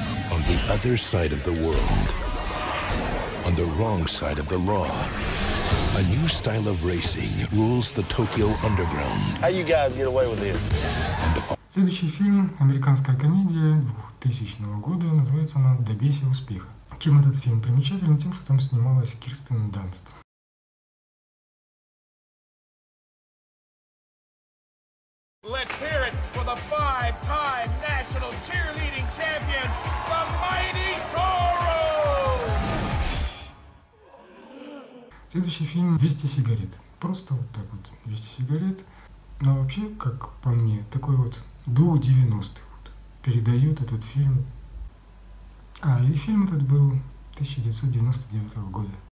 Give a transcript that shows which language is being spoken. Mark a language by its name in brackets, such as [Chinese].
[English] On the other side of the world, on the wrong side of the law, a new style of racing rules the Tokyo underground. How you guys get away with this? [Russian] Следующий фильм, американская комедия 2000 года, называется она «Добейся успеха». Чем этот фильм примечателен? Тем, что там снималась Кирстен Данст. [English] Let's hear it for the five-time national cheerleading champions, the Mighty Toros! [Russian] Следующий фильм «Вести сигарет». Просто вот так вот «Вести сигарет». Но вообще, как по мне, такой вот дух 90-х вот, передает этот фильм. А, и фильм этот был 1999 года.